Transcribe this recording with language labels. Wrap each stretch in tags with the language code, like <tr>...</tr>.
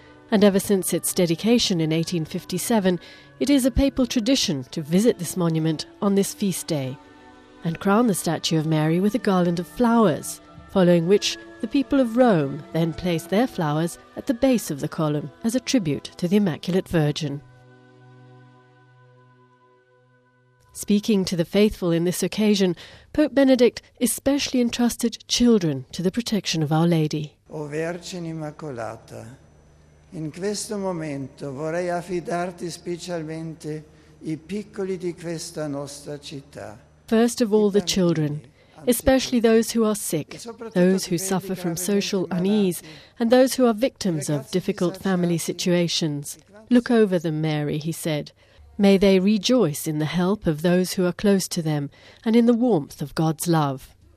<en>And ever since its dedication in 1857, it is a papal tradition to visit this monument on this feast day and crown the statue of Mary with a garland of flowers, following which the people of Rome then place their flowers at the base of the column as a tribute to the Immaculate Virgin. Speaking to the faithful in this occasion, Pope Benedict especially entrusted children to the protection of Our Lady.</en> <it>O Vergine Immacolata, in questo momento vorrei affidarti specialmente I piccoli di questa nostra città.</it> <en>First of all, the children, especially those who are sick, those who suffer from social unease, and those who are victims of difficult family situations. Look over them, Mary, he said. May they rejoice in the help of those who are close to them and in the warmth of God's love.</en>